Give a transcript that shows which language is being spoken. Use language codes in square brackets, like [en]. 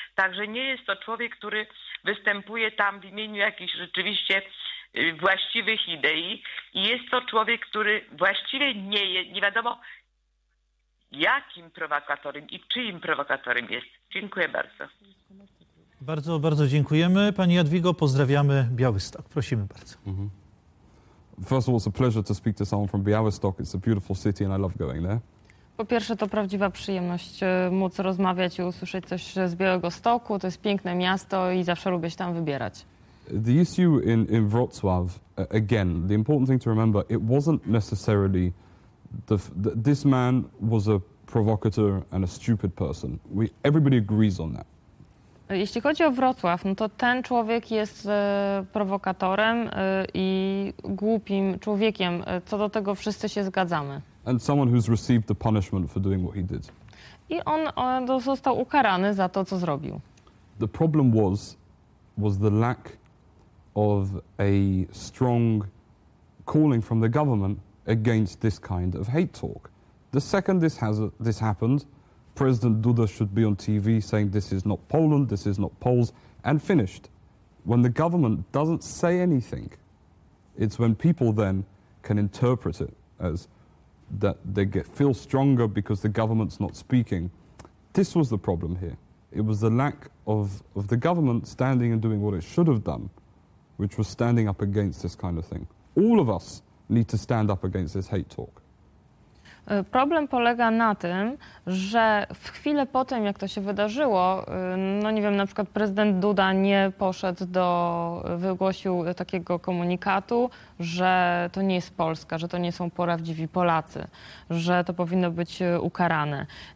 [pl] Także nie jest to człowiek, który występuje tam w imieniu jakichś rzeczywiście właściwych idei. I jest to człowiek, który właściwie nie wiadomo jakim prowokatorem i czyim prowokatorem jest. Dziękuję bardzo. Bardzo, bardzo dziękujemy. Pani Jadwigo, pozdrawiamy Białystok. Prosimy bardzo. Mhm. [en] First of all, it's a pleasure to speak to someone from Białystok. It's a beautiful city and I love going there. [pl] Po pierwsze, to prawdziwa przyjemność móc rozmawiać i usłyszeć coś z Białegostoku. To jest piękne miasto i zawsze lubię się tam wybierać. [en] The issue in Wrocław, again, the important thing to remember, it wasn't necessarily this man was a provocateur and a stupid person. Everybody agrees on that. [pl] Jeśli chodzi o Wrocław, no to ten człowiek jest prowokatorem i głupim człowiekiem. Co do tego wszyscy się zgadzamy. [en] And someone who's received the punishment for doing what he did. [pl] I on został ukarany za to, co zrobił. [en] The problem was the lack of a strong calling from the government against this kind of hate talk. The second this happened, President Duda should be on TV saying this is not Poland, this is not Poles, and finished. When the government doesn't say anything, it's when people then can interpret it as that they feel stronger because the government's not speaking. This was the problem here. It was the lack of the government standing and doing what it should have done, which was standing up against this kind of thing. All of us need to stand up against this hate talk. [pl] Problem polega na tym, że w chwilę po tym, jak to się wydarzyło, no nie wiem, na przykład prezydent Duda nie poszedł do, wygłosił takiego komunikatu, że to nie jest Polska, że to nie są prawdziwi Polacy, że to powinno być ukarane.